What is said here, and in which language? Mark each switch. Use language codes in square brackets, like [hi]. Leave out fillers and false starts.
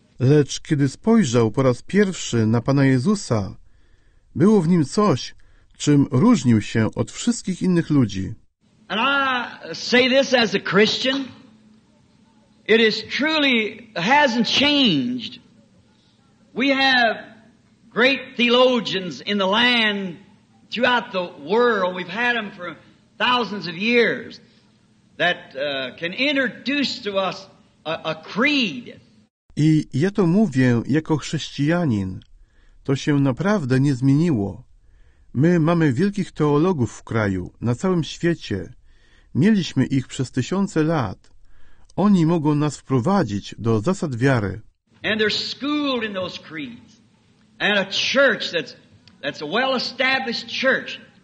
[pl] Lecz kiedy spojrzał po raz pierwszy na Pana Jezusa, było w nim coś, czym różnił się od wszystkich innych ludzi. [en] And I say this as a Christian. It is truly hasn't changed. We have great theologians in the land throughout the world. We've had them for thousands of years that can introduce to us a creed. [pl] I ja to mówię jako chrześcijanin. To się naprawdę nie zmieniło. My mamy wielkich teologów w kraju, na całym świecie. Mieliśmy ich przez tysiące lat. Oni mogą nas wprowadzić do zasad wiary. [en] And they're schooled in those creeds. And a church that's a well-established church.